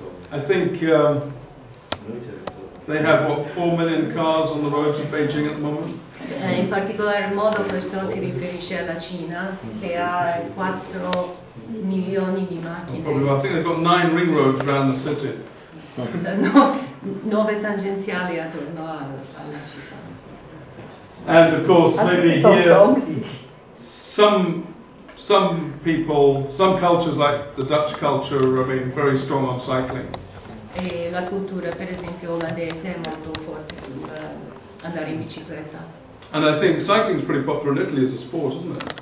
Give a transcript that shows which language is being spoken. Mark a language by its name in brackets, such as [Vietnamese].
[English] I think they have, what, 4 million cars on the roads of Beijing at the moment? [Italian] In particolar modo questo si riferisce alla Cina, che ha 4 milioni di macchine. [English] I think they've got 9 ring roads around the city. [Italian] Nove tangenziali attorno alla città. [English] And of course, maybe here some people, some cultures like the Dutch culture remain very strong on cycling. [Italian] E la cultura, per esempio, olandese è molto forte sull'andare in bicicletta. [English] And I think cycling is pretty popular in Italy as a sport, isn't it?